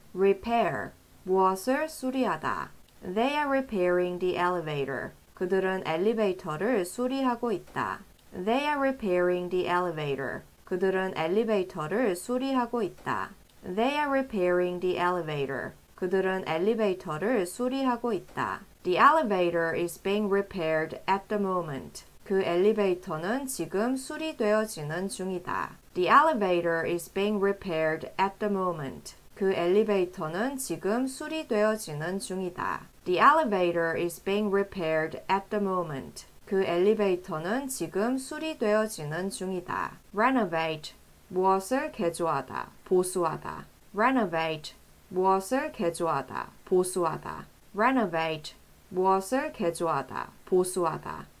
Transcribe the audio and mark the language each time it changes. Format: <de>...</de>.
<en>Repair</en> <ko>무엇을 수리하다.</ko> <en>They are repairing the elevator.</en> <ko>그들은 엘리베이터를 수리하고 있다.</ko> <en>They are repairing the elevator.</en> <ko>그들은 엘리베이터를 수리하고 있다.</ko> <en>They are repairing the elevator.</en> <ko>그들은 엘리베이터를 수리하고 있다.</ko> <en>The elevator is being repaired at the moment.</en> <ko>그 엘리베이터는 지금 수리되어지는 중이다.</ko> <en>The elevator is being repaired at the moment.</en> <ko>그 엘리베이터는 지금 수리되어지는 중이다.</ko> <en>The elevator is being repaired at the moment.</en> <ko>그 엘리베이터는 지금 수리되어지는 중이다.</ko> <en>Renovate.</en> <ko>무엇을 개조하다, 보수하다.</ko> <en>Renovate.</en> <ko>무엇을 개조하다, 보수하다.</ko> <en>Renovate.</en> <ko>무엇을 개조하다, 보수하다.</ko>